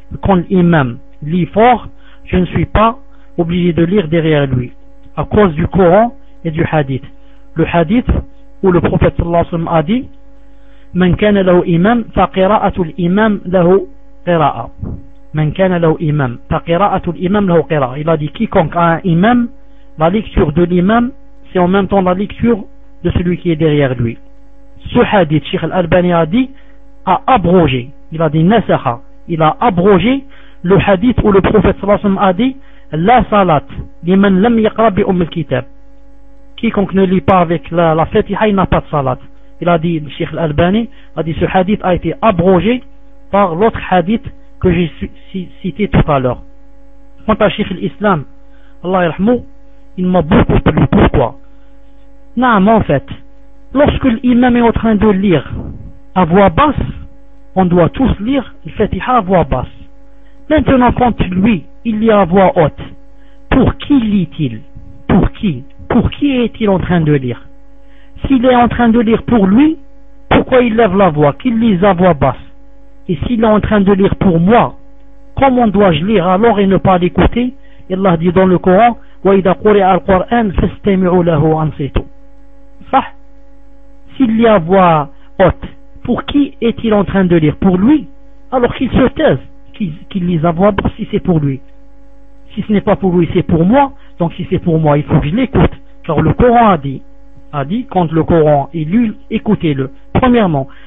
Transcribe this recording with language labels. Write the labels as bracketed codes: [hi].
[fr] Quand l'imam lit fort, je ne suis pas obligé de lire derrière lui, à cause du Coran et du Hadith. Le Hadith où le prophète sallallahu alayhi wa sallam a dit [ar] من كان له إمام فقراءة الإمام له قراءة. من كان له إمام فقراءة الإمام له قراءة. [fr] Il a dit quiconque a un imam, la lecture de l'imam c'est en même temps la lecture de celui qui est derrière lui. Ce hadith, Cheikh Al-Albani a dit, a abrogé, il a dit nasakha, il a abrogé le hadith où le prophète sallallahu alayhi wa sallam a dit [ar] la salat liman lam yaqra bi umm al-kitab, [fr] quiconque ne lit pas avec la Fatiha n'a pas de salat. Il a dit, le Cheikh Al-Albani a dit, ce hadith a été abrogé par l'autre hadith que j'ai cité tout à l'heure. Quant à Cheikh Al-Islam, Allah yarhamou, il m'a beaucoup plu. Pourquoi? Non, en fait, lorsque l'imam est en train de lire à voix basse, on doit tous lire le Fatiha à voix basse. Maintenant, quand lui, il lit à voix haute, pour qui lit-il? Pour qui? Pour qui est-il en train de lire? S'il est en train de lire pour lui, pourquoi il lève la voix? Qu'il lise à voix basse. Et s'il est en train de lire pour moi, comment dois-je lire alors et ne pas l'écouter? Allah dit dans le Coran, [ar] وَإِذَا قُرِئَ الْقُرْآنَ فَاسْتَمِعُوا لَهُ وَأَنْصِتُوا. صح. [fr] S'il lit à voix haute, pour qui est-il en train de lire? Pour lui? Alors qu'il se taise, qu'il lise à voix basse si c'est pour lui. Si ce n'est pas pour lui, c'est pour moi. Donc si c'est pour moi, il faut que je l'écoute. Car le Coran a dit, quand le Coran est lu, écoutez-le. Premièrement.